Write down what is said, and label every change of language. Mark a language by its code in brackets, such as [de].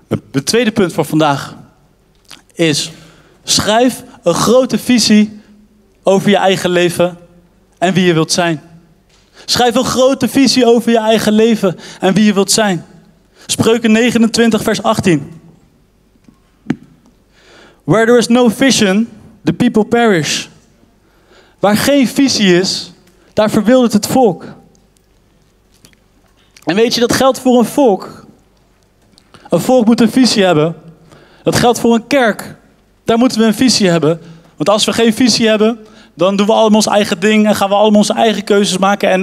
[nl] Het tweede punt voor vandaag is, schrijf een grote visie over je eigen leven en wie je wilt zijn. Schrijf een grote visie over je eigen leven en wie je wilt zijn. Spreuken 29 vers 18. [en] Where there is no vision, the people perish. [nl] Waar geen visie is, daar verwildert het volk. En weet je, dat geldt voor een volk. Een volk moet een visie hebben. Dat geldt voor een kerk. Daar moeten we een visie hebben. Want als we geen visie hebben, dan doen we allemaal ons eigen ding en gaan we allemaal onze eigen keuzes maken.